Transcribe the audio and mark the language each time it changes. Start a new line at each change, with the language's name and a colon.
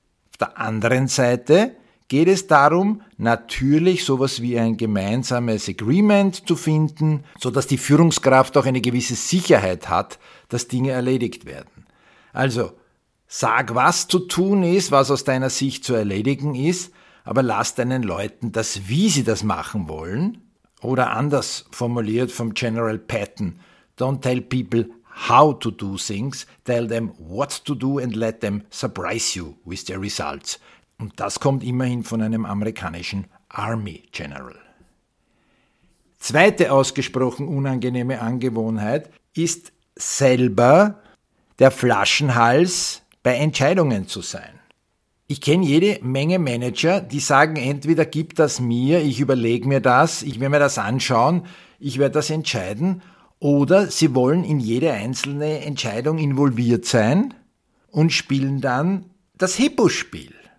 German: Auf der anderen Seite geht es darum, natürlich sowas wie ein gemeinsames Agreement zu finden, sodass die Führungskraft auch eine gewisse Sicherheit hat, dass Dinge erledigt werden. Also, sag, was zu tun ist, was aus deiner Sicht zu erledigen ist, aber lass deinen Leuten das, wie sie das machen wollen. Oder anders formuliert vom General Patton,
English: don't tell people how to do things, tell them what to do and let them surprise you with their results.
German: Und das kommt immerhin von einem amerikanischen Army General. Zweite ausgesprochen unangenehme Angewohnheit ist selber der Flaschenhals bei Entscheidungen zu sein. Ich kenne jede Menge Manager, die sagen, entweder gib das mir, ich überlege mir das, ich werde mir das anschauen, ich werde das entscheiden, oder sie wollen in jede einzelne Entscheidung involviert sein und spielen dann das Hippo-Spiel.